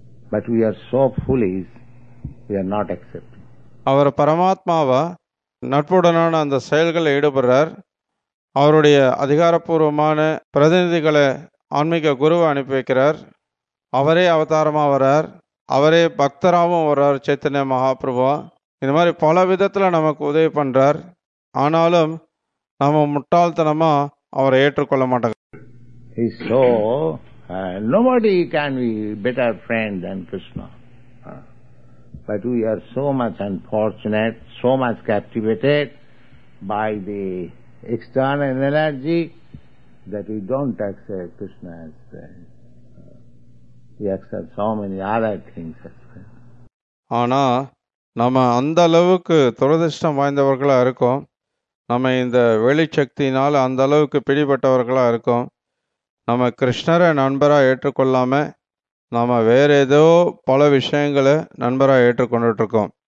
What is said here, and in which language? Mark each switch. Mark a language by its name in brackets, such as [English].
[English] But we are so foolish, we are not accepting. [Tamil] அவர் பரமாத்மாவா நட்புடனான அந்த செயல்களை ஈடுபடுறார். அவருடைய அதிகாரப்பூர்வமான பிரதிநிதிகளை ஆன்மீக குருவை அனுப்பி வைக்கிறார். அவரே அவதாரமாக வர்றார், அவரே பக்தராகவும் வர்றார் சைத்தன்ய மகாபிரபா. இந்த மாதிரி பல விதத்தில் நமக்கு உதவி பண்ணுறார். ஆனாலும் நாம முட்டாள்தனமா அவரை ஏற்றுக்கொள்ள மாட்டோம். [English] Nobody can be better friend than Krishna. But we are so much unfortunate, so much captivated by the external energy that we don't accept Krishna as friend. We accept so many other things as friend. [Tamil] ஆனா நாம அந்த அளவுக்கு துரதிருஷ்டம் வாய்ந்தவர்களா இருக்கோம். நம்ம இந்த வெளிச்சக்தினால் அந்த அளவுக்கு பிடிபட்டவர்களாக இருக்கோம். நம்ம கிருஷ்ணரை நண்பராக ஏற்றுக்கொள்ளாமல் நம்ம வேற ஏதோ பல விஷயங்களை நண்பராக ஏற்றுக்கொண்டுட்ருக்கோம்.